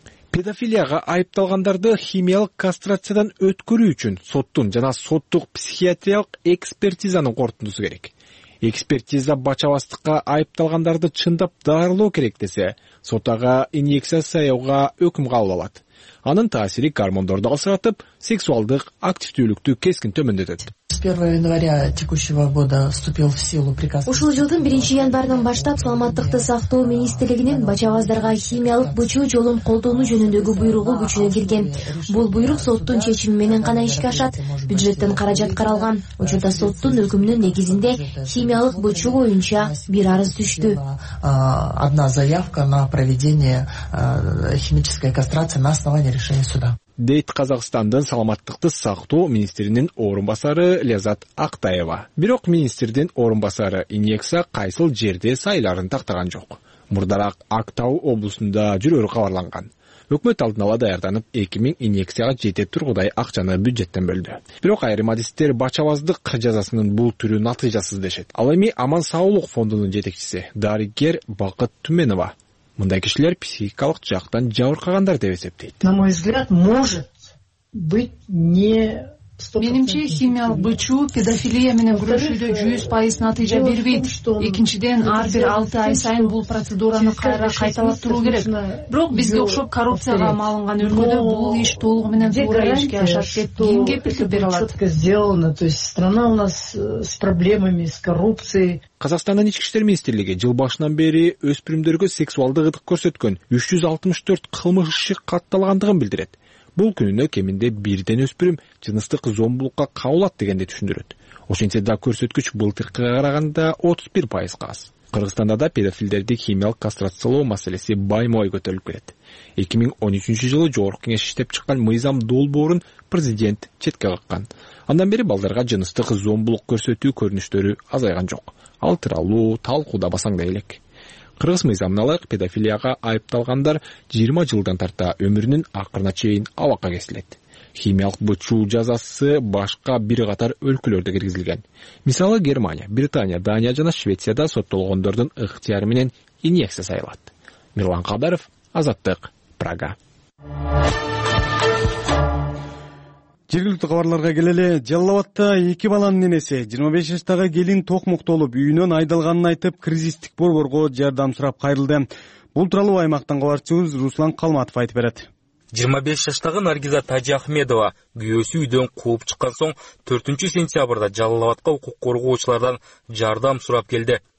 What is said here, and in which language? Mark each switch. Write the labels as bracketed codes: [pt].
[ky] Педофилияга айыпталгандарды химиялык кастрациядан өткөрүү үчүн соттун жана соттук психиатриялык экспертизанын корутундусу керек. Экспертиза бачабастыкка айыпталгандарды чындап даарылоо керек десе, сот ага инъекция сайыуга өкүм кабыл алат. Анын таасири гормондорду алсыратып, сексуалдык активдүүлүктү кескин төмөндөтөт. [ru] 1 января текущего года вступил в силу приказ. [ky] Ушул жылдын 1 январынан баштап саламаттыкты сактоо министрлигинин бачабаздарга химиялык бычуу жолун колдонуу жөнүндөгү буйругу күчүнө кирген. Бул буйрук соттун чечими менен гана ишке ашат. Бюджеттен каражат каралган. Учурда соттун өкүмүнүн негизинде химиялык бычуу боюнча бир арыз түштү. [ru] Одна заявка на проведение химической кастрации на основании решения суда. [ky] Дейт Казакстандын саламаттыкты сактоо министринин орун басары Лезат Актаева. Бирок министрдин орун басары инъекция кайсыл жерде сайларын тактаган жок. Мурдараак Актау облусунда жүрөрү кабарланган. Өкмөт алдын ала даярданып 2000 инъекцияга жете тургудай акчаны бюджеттен бөлдү. Бирок айрым адистер бачабаздык жазасынын бул түрү натыйжасыз дешет. Ал эми Аман Саулук фондунун жетекчиси дарыгер Бакыт Түменова. Мындай кишилер психикалык жактан жабыркагандар деп эсептейт. [ru] На мой взгляд, может быть не 100%. [ky] Менимче химиялык бычуу педофилия менен күрөшүүдө 100% натыйжа бербейт. Экинчиден, ар бир 6 ай сайын бул процедураны кайра кайталап туруу керек. Бирок бизге окшоп коррупцияга малынган өлкөдө бул иш толугу менен туура ишке ашат деп ким кепилдик бере алат? [ru] Сделано, то есть страна у нас с проблемами, с коррупцией. [ky] Казакстандын ички иштер министрлиги жыл башынан бери өспүрүмдөргө сексуалдык ыдык көрсөткөн 364 кылмыш иши катталгандыгын билдирет. Бул күнүнө кеминде бирден өспүрүм жыныстык зомбулукка кабылат дегенди түшүндүрөт. Ошентсе да көрсөткүч былтыркыга караганда 31% аз. Кыргызстанда да педофилдерди химиялык кастрациялоо маселеси баймой көтөрүлүп келет. 2013 жылы Жогорку Кеңеш иштеп чыккан мыйзам долбоорун президент четке каккан. Андан бери балдарга жыныстык зомбулук көрсөтүү көрүнүштөрү азайган жок. Ал тууралуу талкууда басаң да элек. Кыргыз мыйзамына ылайык педофилияга айыпталгандар 20 жылдан тарта өмүрүнүн акырына чейин абакка кесилет. Химиялык бычуу жазасы башка бир катар өлкөлөрдө киргизилген. Мисалы Германия, Британия, Дания жана Швецияда соттолгондордун ыктыяры менен инъекция сайылат. Мирлан Кадаров, Азаттык, Прага. Жергиликтүү кабарларга келели. Жалал-Абадта 2 баланын энеси 25 жаштагы келин токмоктолуп үйүнөн айдалганын айтып кризистик борборго жардам сурап кайрылды. Бул тууралуу аймактан кабарчыбыз Руслан Калматов айтып берет. 25 жаштагы Наргиза Тажи Ахмедова күйөөсү үйдөн кууп чыккан соң 4 сентябрда Жалал-Абадка укук коргоочулардан жардам сурап келди.